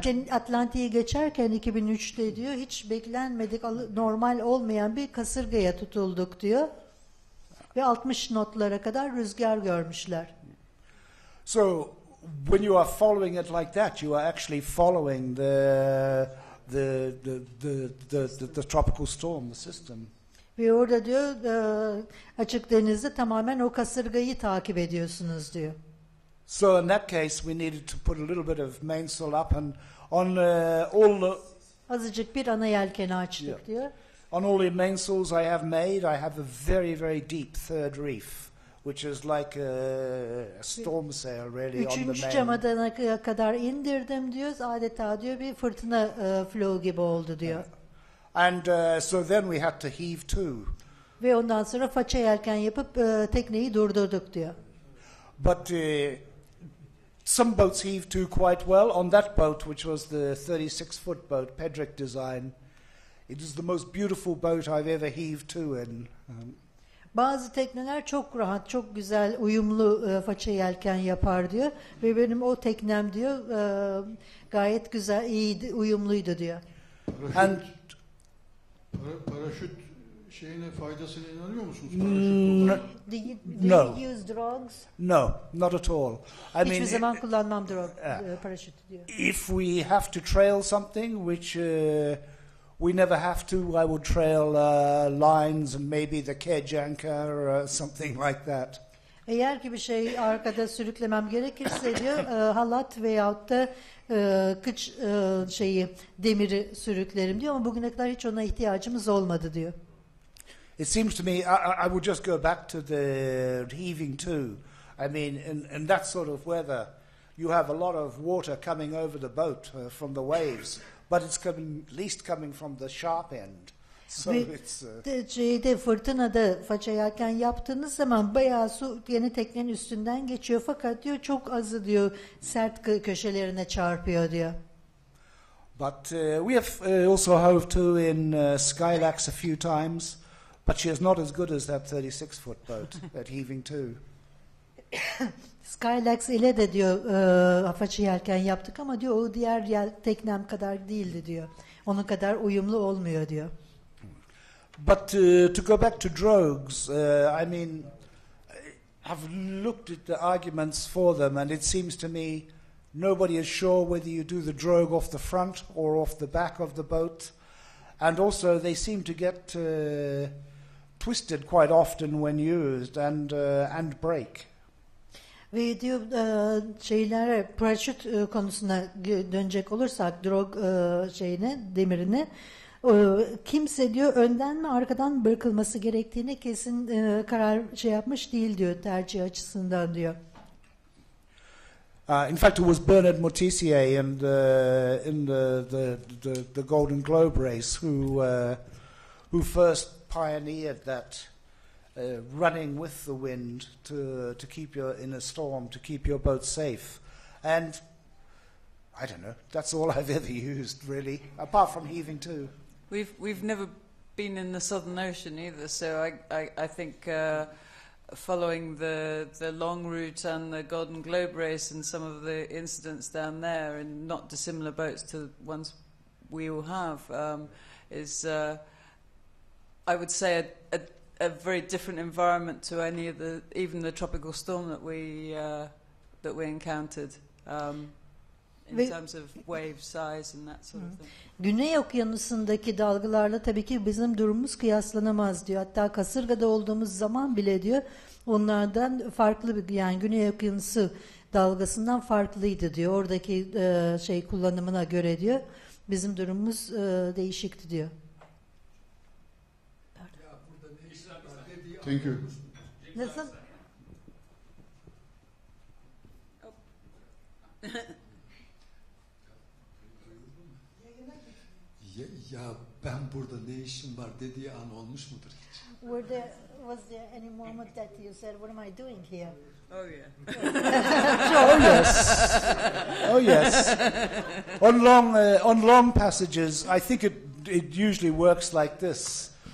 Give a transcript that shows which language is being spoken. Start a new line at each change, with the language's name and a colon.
Turkish: Atlantik'i geçerken 2003'te diyor hiç beklenmedik normal olmayan bir kasırgaya tutulduk diyor ve 60 knotlara kadar rüzgar görmüşler.
English: So when you are following it like that, you are actually following the tropical storm, the system.
Turkish: Ve orada diyor açık denizde tamamen o kasırgayı takip ediyorsunuz diyor.
English: So in that case we needed to put a little bit of mainsail up and on all the
Turkish: azıcık bir ana yelkeni açtık
English: yeah.
Turkish: diyor.
English: On all the mainsails I have made, I have a very, very deep third reef, which is like a storm sail, really,
Turkish: üçüncü
English: on the main.
Turkish: Üçüncü camadana kadar indirdim diyor, adeta diyor bir fırtına flow gibi oldu diyor. And so then we had to heave to. Ve ondan sonra faça yelken yapıp tekneyi durdurduk diyor.
English: But some boats heave to quite well. On that boat, which was the 36-foot boat, Pedrick design, it is the most beautiful boat I've ever heaved to in.
Turkish: Bazı tekneler çok rahat, çok güzel, uyumlu faça yelken yapar diyor. Ve benim o teknem diyor gayet güzel, iyiydi, uyumluydu diyor.
English: And
Turkish: paraşüt şeyine faydasına inanıyor musunuz?
English: Do you use drugs? No, not at all. I mean,
Turkish: hiçbir zaman kullanmam drug, paraşüt diyor.
English: If we have to trail something, which we never have to, I would trail lines and maybe the kedge anchor or something like that.
Turkish: Eğer ki bir şey arkada sürüklemem gerekirse diyor, halat veyahut da kıç şeyi demiri sürüklerim diyor ama bugüne kadar hiç ona ihtiyacımız olmadı diyor.
English: It seems to me I would just go back to the heaving too. I mean in that sort of weather you have a lot of water coming over the boat from the waves. But it's coming, least coming from the sharp end. So
Turkish: şeyde, fırtınada faça yelken yaptığınız zaman bayağı su yeni teknenin üstünden geçiyor. Fakat diyor çok azı diyor sert köşelerine çarpıyor diyor.
English: But we have also hove to in Skylax a few times. But she is not as good as that 36-foot boat at heaving to.
Turkish: Skylax ile de diyor faça yelken yaptık ama diyor o diğer teknem kadar değildi diyor. Onun kadar uyumlu olmuyor diyor.
English: But to go back to drogues, I mean, I've looked at the arguments for them and it seems to me nobody is sure whether you do the drogue off the front or off the back of the boat. And also they seem to get twisted quite often when used and break.
Turkish: Ve diyor şeylere paraşüt konusuna dönecek olursak drog şeyine demirine kimse diyor önden mi arkadan bırakılması gerektiğine kesin karar şey yapmış değil diyor tercih açısından diyor.
English: In fact it was Bernard Mortissier in the Golden Globe race who first pioneered that running with the wind to keep your in a storm to keep your boat safe, and I don't know. That's all I've ever used, really, apart from heaving too. We've never been in the Southern Ocean either, so I think following the long route and the Golden Globe race and some of the incidents down there in not dissimilar boats to the ones we all have is I would say a very different environment to any of the even the tropical storm that we encountered in terms of wave size and that sort of thing.
Turkish: Güney Okyanusu'ndaki dalgalarla tabii ki bizim durumumuz kıyaslanamaz diyor. Hatta kasırgada olduğumuz zaman bile diyor onlardan farklı bir yani Güney Okyanusu dalgasından farklıydı diyor. Oradaki şey kullanımına göre diyor bizim durumumuz değişikti diyor.
English: Thank you.
Turkish: Nasıl? Ya ben burada ne işim var dediği an olmuş mudur hiç?
English: Was there any moment that you said, what am I doing here? Oh yeah. Oh yes. Oh yes. On long passages, I think it usually works like this.